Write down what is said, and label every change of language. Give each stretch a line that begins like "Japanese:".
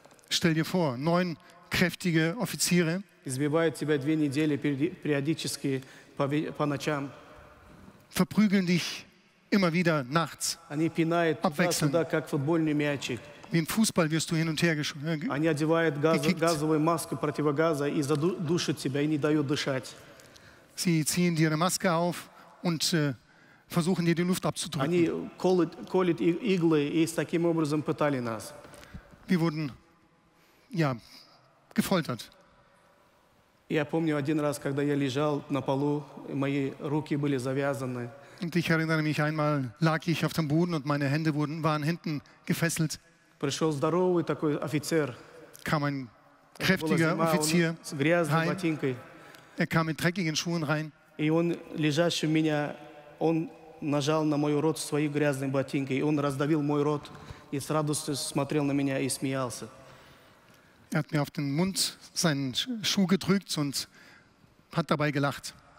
German: Stell dir vor, 9 kräftige Offiziere.
Russian: Избивают тебя 2 недели периодически по ночам.
German: Verprügeln dich immer wieder nachts.
Russian: Они пинают туда-сюда, как футбольный мячик.
German: Wie im Fußball wirst du hin und her gekickt.
Russian: Они одевают газовую маску противогаза и задушат тебя и не дают дышать.
German: Sie ziehen dir eine Maske auf und versuchen dir die Luft abzudrücken.
Russian: Они колют иглы и таким образом пытали нас.
German: Wir wurden gefoltert.
Russian: Я помню один раз, когда я лежал на полу, мои руки были завязаны.
German: Und ich erinnere mich einmal, lag ich auf dem Boden und meine Hände waren hinten gefesselt.
Russian: Пришел здоровый такой офицер.
German: Kam ein kräftiger Offizier.
Russian: С грязной ботинкой.
German: Er kam mit dreckigen Schuhen rein.
Russian: И он лежащий меня, он нажал на мой рот своей грязной ботинкой, он раздавил мой рот и с радостью смотрел на меня и смеялся.
German: Er hat mir auf den Mund seinen Schuh gedrückt und hat dabei gelacht.